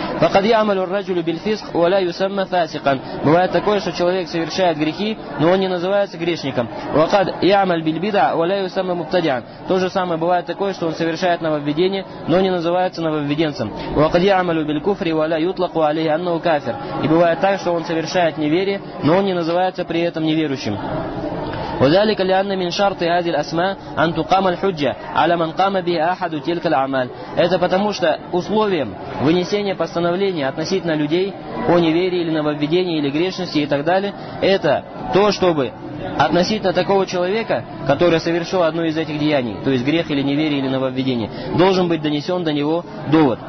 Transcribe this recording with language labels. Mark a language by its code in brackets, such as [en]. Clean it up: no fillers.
[ar] «Факад ямалю раджулю бильфиск валя юсамма фасикан». [ru] Бывает такое, что человек совершает грехи, но он не называется грешником. [ar] «Факад ямаль бильбида валя юсамма мубтадиан». [ru] То же самое бывает такое, что он совершает нововведение, но не называется нововведенцем. [ar] «Факад ямалю билькуфри валя ютлаку алей анну кафир». [ru] И бывает так, что он совершает неверие, но он не называется при этом неверующим. [ar] وذلك لأن من شرط هذه الأسماء أن تقام الحجة على من قام به أحد تلك الأعمال. [ru] Это потому что условием вынесения постановления относительно людей о неверии или нововведении или грешности и так далее, это то, чтобы относительно такого человека, который совершил одно из этих деяний, то есть грех или неверие или нововведение, должен быть донесен до него довод.